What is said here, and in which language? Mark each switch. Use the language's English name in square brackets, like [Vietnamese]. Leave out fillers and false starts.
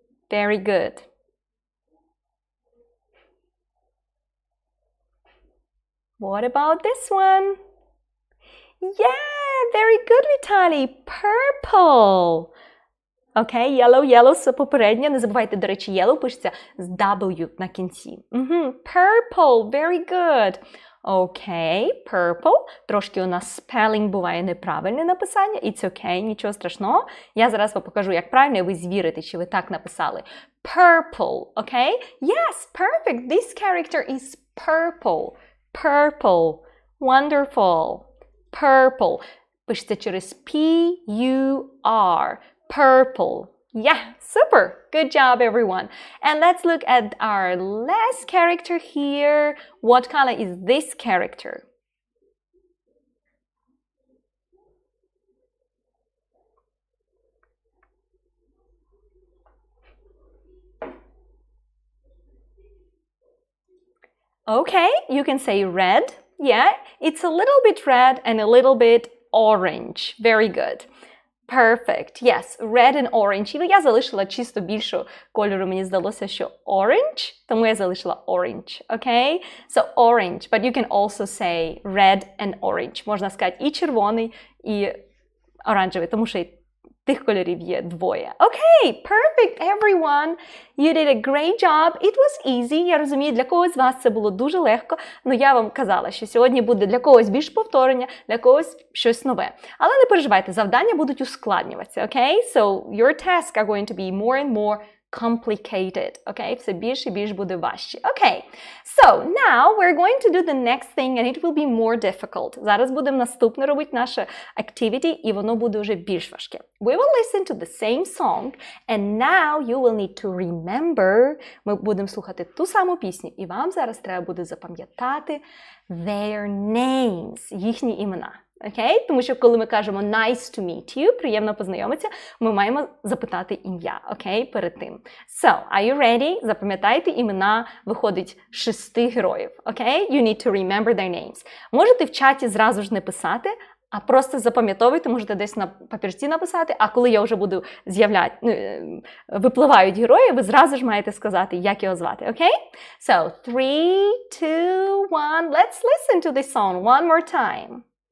[English] Very good. What about this one? Yeah, very good, Vitaly. Purple. Okay, yellow, yellow, [Ukrainian] все попереднє. Не забувайте, до речі, yellow пишеться з W на кінці. [English] Purple, very good. Okay, purple. [Ukrainian] Трошки у нас spelling буває неправильне написання. [English] It's okay, [Ukrainian] нічого страшного. Я зараз вам покажу, як правильно, ви звірите, чи ви так написали. [English] Purple, okay? Yes, perfect. This character is purple. Purple. Wonderful. Purple. [Ukrainian] Пишеться через P-U-R. [English] Purple. Yeah, super. Good job, everyone. And let's look at our last character here. What color is this character? Okay, you can say red. Yeah, it's a little bit red and a little bit orange. Very good. Perfect. Yes, red and orange. [Ukrainian] І я залишила чисто більшу кольору, мені здалося, що orange, тому я залишила orange. [English] Okay? So orange, but you can also say red and orange. [Ukrainian] Можна сказати і червоний, і оранжевий, тому що тих кольорів є двоє. [English] Okay, perfect, everyone. You did a great job. It was easy. [Ukrainian] Я розумію, для когось з вас це було дуже легко. Ну, я вам казала, що сьогодні буде для когось більше повторення, для когось щось нове. Але не переживайте, завдання будуть ускладнюватися. [English] Okay, so your tasks are going to be more and more complicated. [Ukrainian] Okay, все більше і більше буде важче. [English] Okay, so now we're going to do the next thing and it will be more difficult. [Ukrainian] Зараз будемо наступне робити наше activity і воно буде вже більш важке. [English] We will listen to the same song and now you will need to remember. [Ukrainian] Ми будемо слухати ту саму пісню і вам зараз треба буде запам'ятати [English] their names, [Ukrainian] їхні імена. Окей? Тому що коли ми кажемо [English] nice to meet you, [Ukrainian] приємно познайомитися, ми маємо запитати ім'я, окей, перед тим. [English] So, are you ready? [Ukrainian] Запам'ятайте імена, виходить, шести героїв, окей? [English] You need to remember their names. [Ukrainian] Можете в чаті зразу ж не писати, а просто запам'ятовуйте, можете десь на папірці написати, а коли я вже буду з'являти, випливають герої, ви зразу ж маєте сказати, як його звати, окей? [English] So, 3, 2, 1, let's listen to this song one more time.